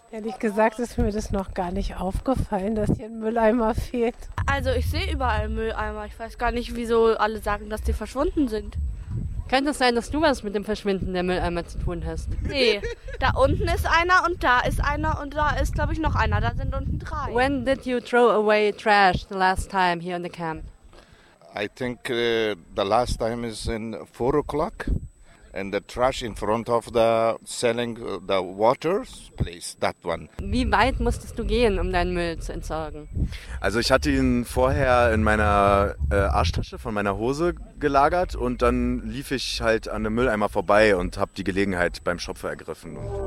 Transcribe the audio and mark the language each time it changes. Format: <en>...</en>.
<de>Ehrlich gesagt ist mir das noch gar nicht aufgefallen, dass hier ein Mülleimer fehlt. Also ich sehe überall Mülleimer. Ich weiß gar nicht, wieso alle sagen, dass die verschwunden sind. Könnte es sein, dass du was mit dem Verschwinden der Mülleimer zu tun hast? Nee, da unten ist einer und da ist einer und da ist, glaube ich, noch einer. Da sind unten drei.</de> <en>When did you throw away trash the last time here in the camp? I think the last time is in 4 o'clock. And the trash in front of the selling the waters place, that one.</en> <de>Wie weit musstest du gehen, um deinen Müll zu entsorgen? Also ich hatte ihn vorher in meiner Arschtasche von meiner Hose gelagert und dann lief ich halt an einem Mülleimer vorbei und habe die Gelegenheit beim Schopf ergriffen.</de>